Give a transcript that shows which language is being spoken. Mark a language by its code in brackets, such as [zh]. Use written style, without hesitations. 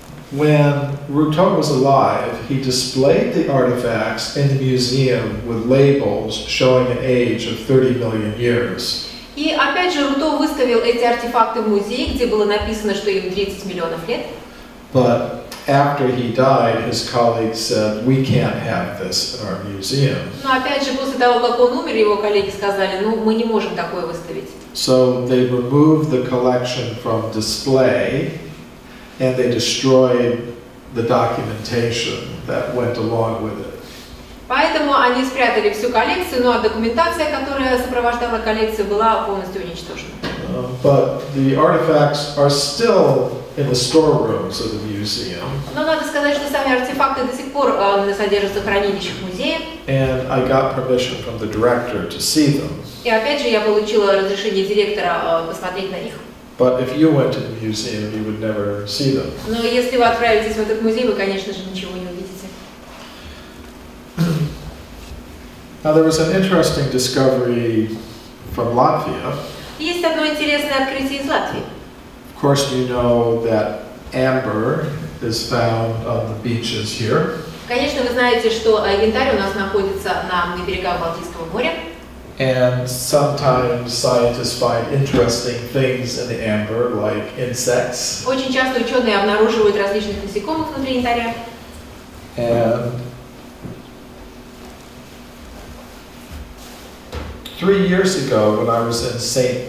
[en] When Routot was alive, he displayed the artifacts in the museum with labels showing an age of 30 million years. [ru] И опять же, Руто выставил эти артефакты в музее, где было написано, что им 30 миллионов лет. [en] But after he died, his colleagues said, we can't have this in our museum. [ru] Но опять же, после того, как он умер, его коллеги сказали, ну, мы не можем такое выставить. [en] So they removed the collection from display, and they destroyed the documentation that went along with it. [ru] Поэтому они спрятали всю коллекцию, но документация, которая сопровождала коллекцию, была полностью уничтожена. [en] But the artifacts are still in the storerooms of the museum. [ru] Но надо сказать, что сами артефакты до сих пор содержатся в хранилищах музея. [en] And I got permission from the director to see them. [ru] И опять же, я получила разрешение директора посмотреть на них. [en] But if you went to the museum, you would never see them. [ru] Но если вы отправитесь в этот музей, вы, конечно же, ничего не увидите. [en] Now there was an interesting discovery from Latvia. [ru] Есть одно интересное открытие из Латвии. [en] Of course, you know that amber is found on the beaches here. [ru] Конечно, вы знаете, что янтарь у нас находится на берегах Балтийского моря. [en] And sometimes scientists find interesting things in the amber, like insects. [ru] Очень часто ученые обнаруживают различных насекомых внутри янтаря. [en] And 3 years ago, when I was in St.